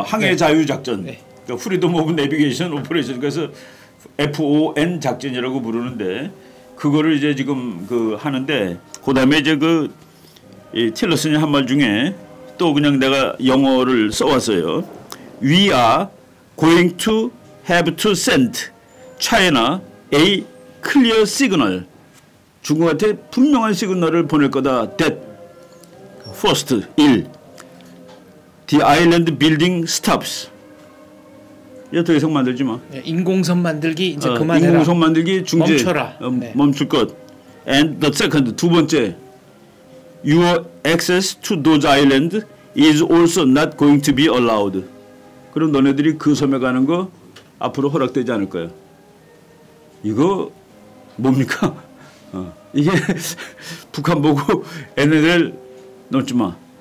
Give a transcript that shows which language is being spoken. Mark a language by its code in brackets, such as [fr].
[ko] 항해 네. 자유작전. 네. 그 Freedom of Navigation Operation. 그래서 FON 작전이라고 부르는데 그거를 이제 지금 그 하는데 그다음에 이제 그 틸러슨이 한 말 중에 또 그냥 내가 영어를 써왔어요. [en] We are going to have to send China a clear signal. [ko] 중국한테 분명한 시그널을 보낼 거다. [en] That first 1. The island building stops. [ko] 이제 더 이상 만들지 마. 인공섬 만들기 이제 그만해라. 인공섬 만들기 중지. 멈춰라. 멈출 것. [en] And the second, [ko] 두 번째. [en] Your access to those islands is also not going to be allowed. [ko] 그럼 너네들이 그 섬에 가는 거 앞으로 허락되지 않을 거야. 이거 뭡니까? 이게 북한 보고 NLL 넘지 마.